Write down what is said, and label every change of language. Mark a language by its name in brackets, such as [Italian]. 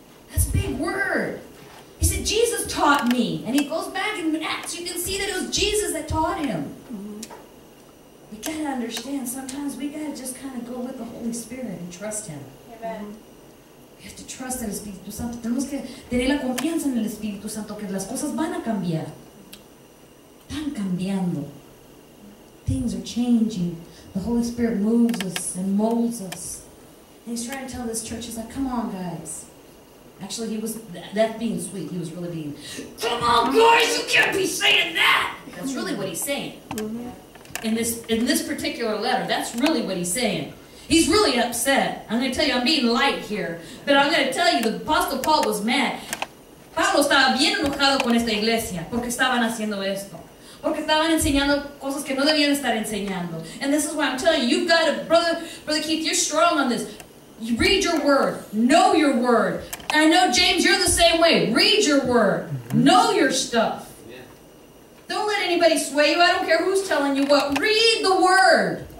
[English] That's a big word. He said, Jesus taught me. And he goes back in Acts. You can see that it was Jesus that taught him. Mm-hmm. You got to understand, sometimes we got to just kind of go with the Holy Spirit and trust him. Amen. We have to trust in the Espíritu Santo. [Spanish] Tenemos que tener la confianza en el Espíritu Santo que las cosas van a cambiar. Están cambiando. [English] Things are changing. The Holy Spirit moves us and molds us. And he's trying to tell this church, he's like, come on, guys. Actually, he was, that being sweet, he was really being, come on, guys, you can't be saying that. That's really what he's saying. In this particular letter, that's really what he's saying. He's really upset. I'm going to tell you, I'm being light here. But I'm going to tell you, the Apostle Paul was mad. [Spanish] Pablo estaba bien enojado con esta iglesia porque estaban haciendo esto. Porque estaban enseñando cosas que no debían estar enseñando. [English] And this is why I'm telling you, you've got to, Brother Keith, you're strong on this. You read your word. Know your word. And I know, James, you're the same way. Read your word. Know your stuff. Yeah. Don't let anybody sway you. I don't care who's telling you what. Read the word.